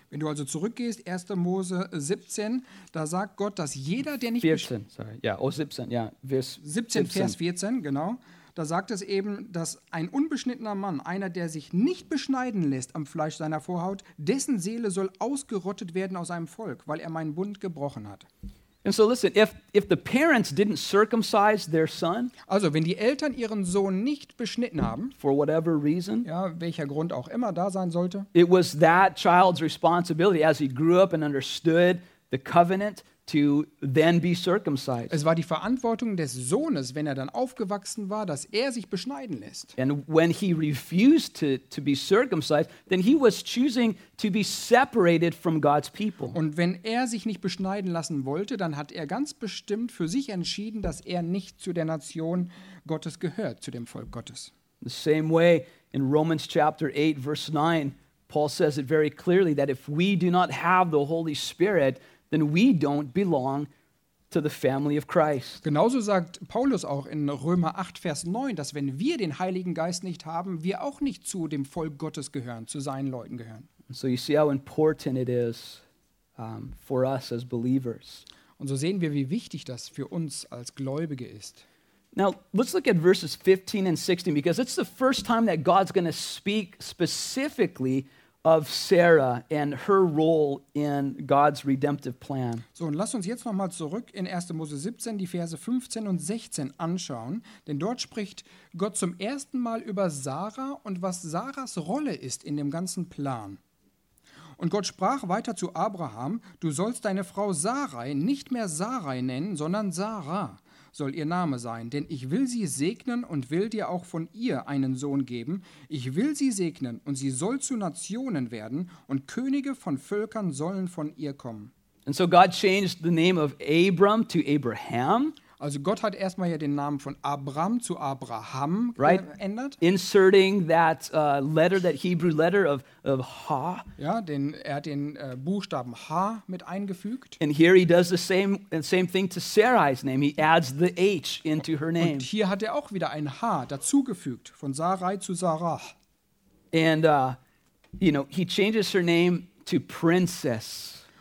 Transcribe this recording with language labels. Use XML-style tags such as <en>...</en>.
<de>Wenn du also zurückgehst, 1. Mose 17, da sagt Gott, dass jeder, der nicht 14, sorry. Ja, yeah, oh 17, ja, yeah. Vers 17 Vers 14, genau. Da sagt es eben, dass ein unbeschnittener Mann, einer, der sich nicht beschneiden lässt am Fleisch seiner Vorhaut, dessen Seele soll ausgerottet werden aus seinem Volk, weil er meinen Bund gebrochen hat.</de> <en>And so listen, if the parents didn't circumcise their son,</en> <de>also wenn die Eltern ihren Sohn nicht beschnitten haben,</de> <en>for whatever reason,</en> <de>ja, welcher Grund auch immer da sein sollte,</de> <en>it was that child's responsibility as he grew up and understood the covenant to then be circumcised.</en> <de>Es war die Verantwortung des Sohnes, wenn er dann aufgewachsen war, dass er sich beschneiden lässt.</de> <en>And when he refused to be circumcised, then he was choosing to be separated from God's people.</en> <de>Und wenn er sich nicht beschneiden lassen wollte, dann hat er ganz bestimmt für sich entschieden, dass er nicht zu der Nation Gottes gehört, zu dem Volk Gottes.</de> <en>The same way in Romans chapter 8 verse 9, Paul says it very clearly that if we do not have the Holy Spirit, then we don't belong to the family of Christ.</en> <de>Genauso sagt Paulus auch in Römer 8, Vers 9, dass wenn wir den Heiligen Geist nicht haben, wir auch nicht zu dem Volk Gottes gehören, zu seinen Leuten gehören.</de> <en>So you see how important it is for us as believers.</en> <de>Und so sehen wir, wie wichtig das für uns als Gläubige ist.</de> <en>Now, let's look at verses 15 and 16, because it's the first time that God's going to speak specifically of Sarah and her role in God's redemptive plan.</en> <de>So, und lass uns jetzt nochmal zurück in 1. Mose 17, die Verse 15 und 16 anschauen, denn dort spricht Gott zum ersten Mal über Sarah und was Sarahs Rolle ist in dem ganzen Plan. Und Gott sprach weiter zu Abraham, du sollst deine Frau Sarai nicht mehr Sarai nennen, sondern Sarah soll ihr Name sein, denn ich will sie segnen und will dir auch von ihr einen Sohn geben. Ich will sie segnen und sie soll zu Nationen werden und Könige von Völkern sollen von ihr kommen.</de> <en>And so God changed the name of Abram to Abraham.</en> <de>Also Gott hat erstmal ja den Namen von Abram zu Abraham geändert.</de> <en>Right? Inserting that letter, that Hebrew letter of ha.</en> <de>Ja, er hat den Buchstaben H mit eingefügt.</de> <en>And here he does the same thing to Sarai's name. He adds the H into her name.</en> <de>Und hier hat er auch wieder ein H dazugefügt, von Sarai zu Sarah.</de> <en>And you know, he changes her name to princess.</en>